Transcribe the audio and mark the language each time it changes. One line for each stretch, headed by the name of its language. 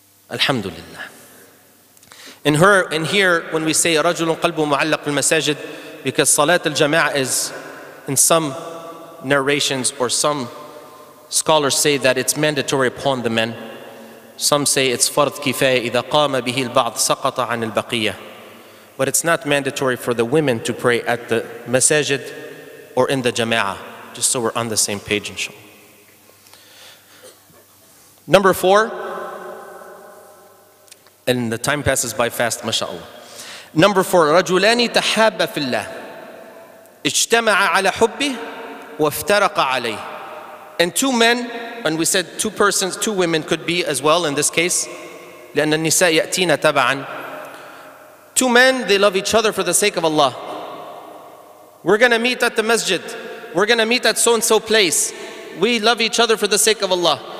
English: Alhamdulillah. And here, when we say
Arabic: رَجُلٌ قَلْبُ مُعَلَّقٌ بِالْمَسَاجِدِ,
English: because Salat al-Jama'ah is, in some narrations or some scholars say that it's mandatory upon the men. Some say it's
Arabic: فَرْضْ كِفَاءِ إِذَا قَامَ بِهِ الْبَعْضِ سَقَطَ عَنِ الْبَقِيَّةِ.
English: But it's not mandatory for the women to pray at the masajid or in the jama'ah, just so we're on the same page, inshallah. Number four, and the time passes by fast, mashallah. Number four,
Arabic: رَجُلَانِ تَحَابَّ فِي اللَّهِ اجْتَمَعَ عَلَى حُبِّهِ وَافْتَرَقَ عَلَيْهِ.
English: And two men, and we said two persons, two women could be as well in this case,
Arabic: لأن النساء يأتينا تبعا.
English: Two men, they love each other for the sake of Allah. We're going to meet at the masjid. We're going to meet at so-and-so place. We love each other for the sake of Allah.